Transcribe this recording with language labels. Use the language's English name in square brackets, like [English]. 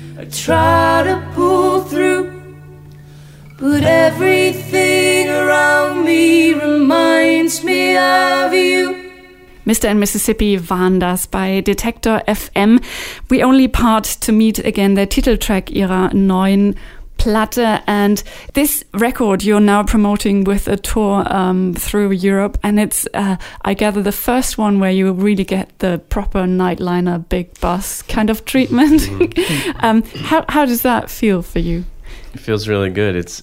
[English] Try to pull through, but everything around me reminds me of you. Mr. [German] and Mississippi waren das bei Detektor FM. We Only Part to Meet Again, der Titeltrack ihrer neuen Platte. [English] And this record you're now promoting with a tour through Europe. And it's, I gather, the first one where you really get the proper nightliner, big bus kind of treatment. how does that feel for you? It feels really good. It's